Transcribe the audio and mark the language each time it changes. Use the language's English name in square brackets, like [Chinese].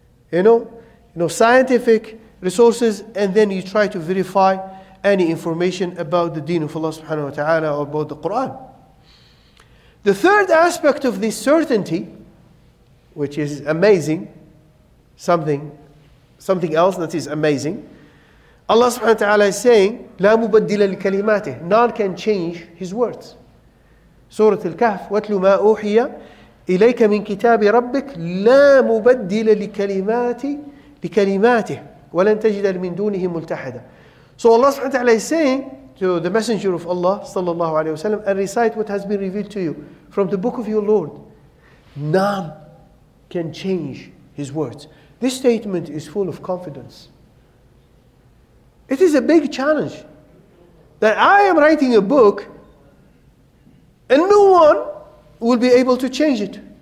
[English] You know, scientific resources, and then you try to verify any information about the deen of Allah subhanahu wa ta'ala or about the Quran. The third aspect of this certainty, which is amazing, something else that is amazing, Allah subhanahu wa ta'ala is saying, [Arabic] لَا مُبَدِّلَ لِكَلِمَاتِهِ, [English] none can change his words. [Arabic] Surah Al-Kahf, وَاتْلُ مَا أُوحِيَ إِلَيْكَ مِنْ كِتَابِ رَبِّكَ لَا مُبَدِّلَ لِكَلِمَاتِهِ وَلَنْ تَجِدَ مِنْ دُونِهِ مُلْتَحَدًا. [English] So Allah subhanahu wa ta'ala is saying to the Messenger of Allah sallallahu alayhi wa sallam, and recite what has been revealed to you from the book of your Lord. None can change his words. This statement is full of confidence. It is a big challenge that I am writing a book and no one will be able to change it.